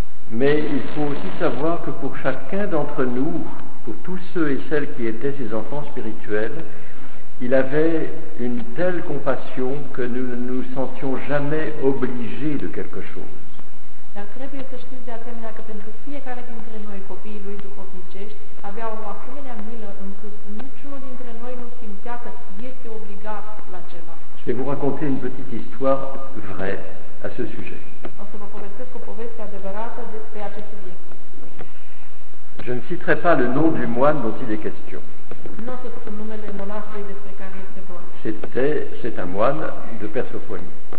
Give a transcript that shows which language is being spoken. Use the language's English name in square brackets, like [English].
[French] Mais il faut aussi savoir que pour chacun d'entre nous, pour tous ceux et celles qui étaient ses enfants spirituels, il avait une telle compassion que nous ne nous sentions jamais obligés de quelque chose. [Romanian] Dar trebuie să știți de asemenea că pentru fiecare dintre noi, copiii lui duhovnicești, avea o asemenea milă încât niciunul dintre noi nu simțea că este obligat la ceva. [French] Je vais vous raconter une petite histoire vraie à ce sujet. [Romanian] O să vă povestesc o poveste adevărată pe acest subiect. [French] Je ne citerai pas le nom du moine dont il est question. [Romanian] Nu o să spun numele monahului despre care este vorba. [French] C'est un moine de Persophonie.